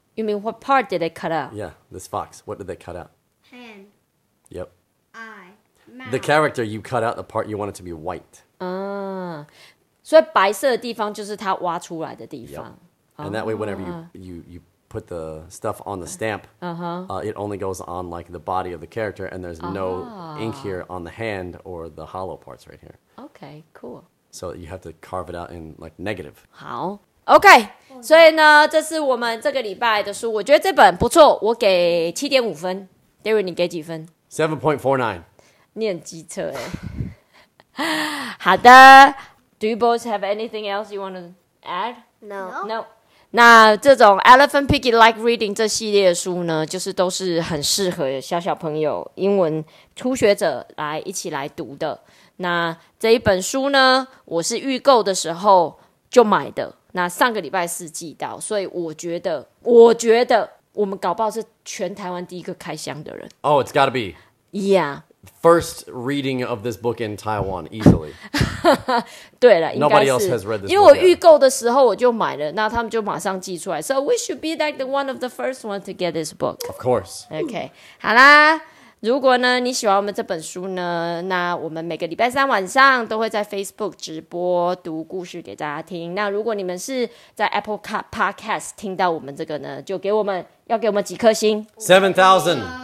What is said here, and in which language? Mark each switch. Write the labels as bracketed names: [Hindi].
[English] You mean what part did they cut out? Yeah, this fox. What did they cut out? Hand. Yep. Eye. Mouth. The character you cut out, the part you want it to be white. [Chinese] So 白色的地方就是它挖出来的地方。 [English] Yep. And that way, whenever you put the stuff on the stamp, it only goes on like the body of the character, and there's no ink here on the hand or the hollow parts right here. Okay, cool. So you have to carve it out in like negative. [Chinese] 好。 OK, 所以呢，这是我们这个礼拜的书，我觉得这本不错，我给 7.5 分。 Darren, 你给几分？ [English] 7.49. [Chinese] 你很机车耶。好的， [English] Do you both have anything else you want to add? No. [Chinese] No. 那这种 Elephant Picky Like Reading 这系列的书呢，就是都是很适合小小朋友、英文初学者来一起来读的。那这一本书呢，我是预购的时候就买的。那上个礼拜四寄到，所以我觉得我们搞不好是全台湾第一个开箱的人。 [English] Oh, it's gotta be. Yeah. First reading of this book in Taiwan, easily. [Chinese] 对了，应该是。 [English] Nobody else has read this [Chinese] 因为我预购的时候我就买了，那他们就马上寄出来。 [English] So we should be like the one of the first one to get this book. Of course. [Chinese] Okay. 好啦。如果呢你喜欢我们这本书呢，那我们每个礼拜三晚上都会在 Facebook 直播读故事给大家听。那如果你们是在 Apple Podcast 听到我们这个呢，就给我们要给我们几颗星？ [English] 7,000